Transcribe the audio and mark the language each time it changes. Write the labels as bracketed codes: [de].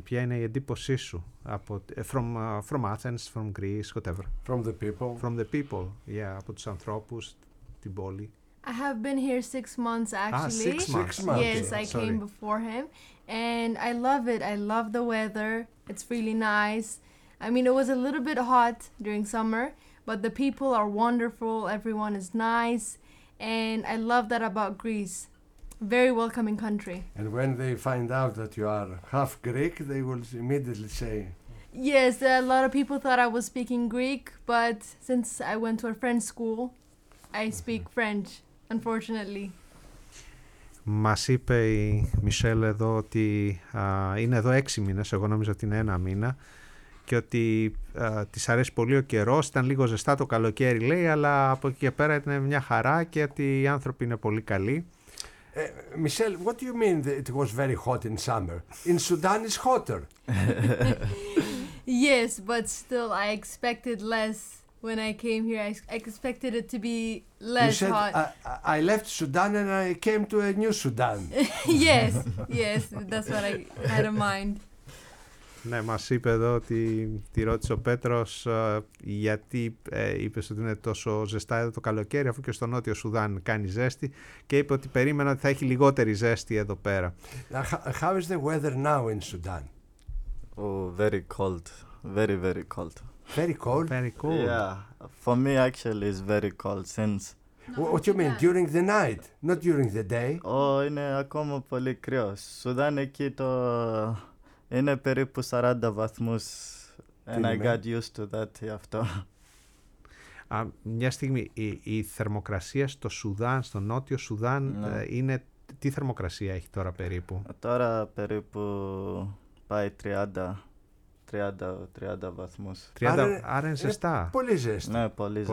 [el] Ποια είναι η εντύπωσή σου [en] from Athens, from Greece, whatever? From the people. From the people, yeah, [el] από τους ανθρώπους, την πόλη. [en] I have been here 6 months, actually. Six months. Yes, okay. Came before him. And I love it. I love the weather. It's really nice. I mean, it was a little bit hot during summer, but the people are wonderful. Everyone is nice. And I love that about Greece. Very welcoming country. And when they find out that you are half Greek, they will immediately say... Yes, a lot of people thought I was speaking Greek, but since I went to a French school, I speak French, unfortunately. [el] Μας είπε η Μισελ εδώ ότι είναι εδώ 6 μήνες, εγώ νόμιζα ότι είναι ένα μήνα. και ότι της αρέσει πολύ ο καιρός. Ήταν λίγο ζεστά το καλοκαίρι, λέει, αλλά από εκεί και πέρα ήταν μια χαρά και ότι οι άνθρωποι είναι πολύ καλοί. [en] Michelle, what do you mean that it was very hot in summer? In Sudan it's hotter. Yes, but still I expected less. When I came here, I expected it to be less hot. You said, I left Sudan and I came to a new Sudan. Yes, yes, that's what I had in mind. [el] Ναι, μας είπε εδώ ότι τη ρώτησε ο Πέτρος γιατί είπε ότι είναι τόσο ζεστά εδώ το καλοκαίρι, αφού και στο Νότιο Σουδάν κάνει ζέστη, και είπε ότι περίμενα ότι θα έχει λιγότερη ζέστη εδώ πέρα. [en] How is the weather now in Sudan? Oh, very cold. Very, very cold. Very cold? Very cold. Yeah, for me actually it's very cold since... No, what do you mean, yeah. During the night, not during the day? [el] Oh, είναι ακόμα πολύ κρύο. Σουδάν εκεί το... είναι περίπου 40 βαθμούς. [en] And I got used to that, [el] αυτό. Μια στιγμή, η θερμοκρασία στο Σουδάν, στο Νότιο Σουδάν, είναι... τι θερμοκρασία έχει τώρα περίπου? Τώρα περίπου πάει 30 βαθμούς. Άρα είναι ζεστά. Πολύ ζεστή. Ναι, πολύ ζεστά.